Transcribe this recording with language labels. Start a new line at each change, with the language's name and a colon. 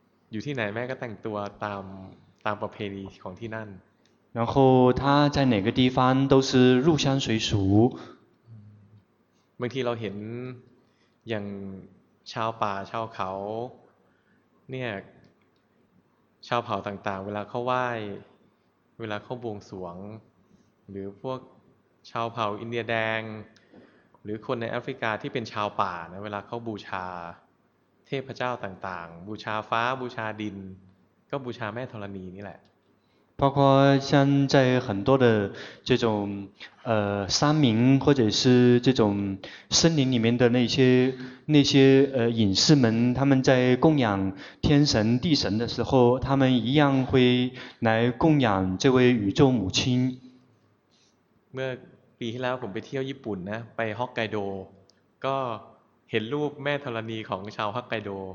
Thai: อยู่ที่ไหนแม่ก็แต่งตัวตามประเพณีของที่นั่น
Chinese: 然后她在哪个地方都是入乡随俗
Thai: บางทีเราเห็นอย่างชาวป่าชาวเขาเนี่ยชาวเผ่าต่างๆเวลาเขาไหว้เวลาเขาบวงสรวงหรือพวกชาวเผ่าอินเดียแดงหรือคนในแอฟริกาที่เป็นชาวป่านะเวลาเขาบูชาเทพเจ้าต่างๆบูชาฟ้าบูชาดินก็บูชาแม่ธรณีนี่แหละ
Chinese: 包括像在很多的这种山民或者是这种森林里面的那些隐士们他们在供养天神地神的时候他们一样会来供养这位宇宙母亲
Thai: เมื่อปีที่แล้วผมไปเที่ยวญี่ปุ่นนะไปฮอกไกโดก็เห็นรูปแม่ธรณีของชาวฮอกไกโด